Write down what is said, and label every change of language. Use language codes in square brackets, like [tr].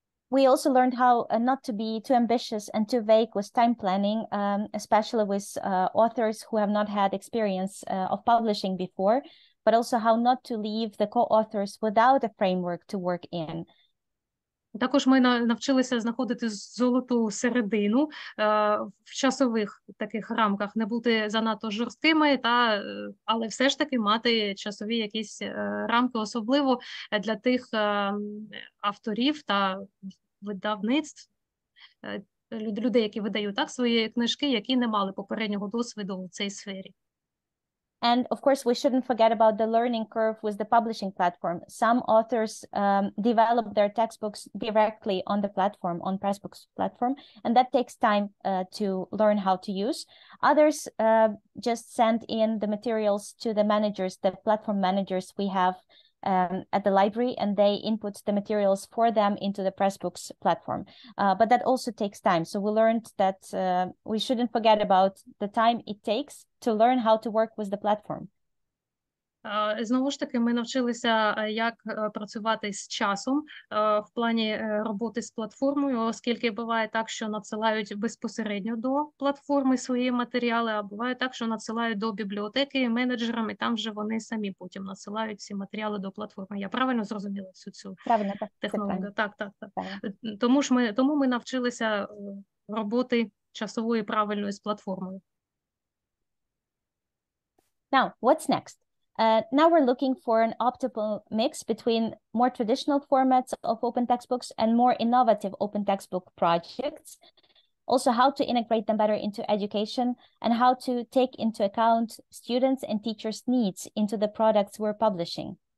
[en] We also learned how not to be too ambitious and too vague with time planning, especially with authors who have not had experience of publishing before, but also how not to leave the co-authors without a framework to work in. [uk] Також ми навчилися знаходити золоту середину в часових таких рамках, не бути занадто жорсткими, але все ж таки мати часові якісь рамки, особливо для тих авторів та видавництв, людей, які видають так свої книжки, які не мали попереднього досвіду у цій сфері. [en] And of course, we shouldn't forget about the learning curve with the publishing platform. Some authors develop their textbooks directly on the platform, on Pressbooks platform, and that takes time to learn how to use. Others just send in the materials to the managers, the platform managers we have at the library, and they input the materials for them into the Pressbooks platform. But that also takes time. So we learned that we shouldn't forget about the time it takes to learn how to work with the platform. [uk] Знову ж таки, ми навчилися, як працювати з часом в плані роботи з платформою, оскільки буває так, що надсилають безпосередньо до платформи свої матеріали, а буває так, що надсилають до бібліотеки менеджерам, і там вже вони самі потім надсилають ці матеріали до платформи. Я правильно зрозуміла всю цю технологію? Так. Тому ми навчилися роботи часової правильної з платформою. [en] Now, what's next? Now we're looking for an optimal mix between more traditional formats of open textbooks and more innovative open textbook projects. Also, how to integrate them better into education and how to take into account students' and teachers' needs into the products we're publishing.